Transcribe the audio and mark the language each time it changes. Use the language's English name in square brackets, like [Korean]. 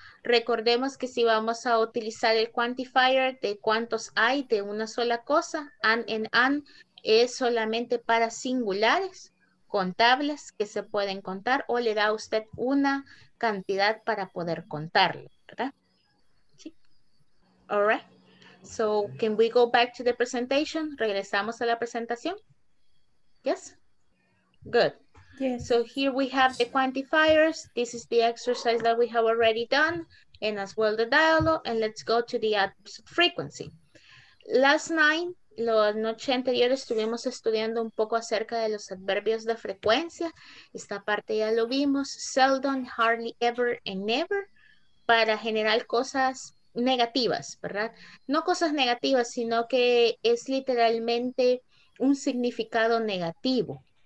[Spanish] Recordemos que si vamos a utilizar el quantifier de cuántos hay de una sola cosa, and es solamente para singulares, contables que se pueden contar o le da a usted una cantidad para poder contarlo, ¿verdad? [English] Sí. All right. So can we go back to the presentation? [Spanish] Regresamos a la presentación. [English] Yes? Good. Yes. So here we have the quantifiers. This is the exercise that we have already done, and as well the dialogue. And let's go to the adverb frequency. Last night, [Spanish] la noche anterior, estuvimos estudiando un poco acerca de los adverbios de frecuencia. Esta parte ya lo vimos. [English] Seldom, hardly, ever, and never. [Spanish] Para generar cosas negativas, ¿verdad? No cosas negativas, sino que es literalmente un significado negativo.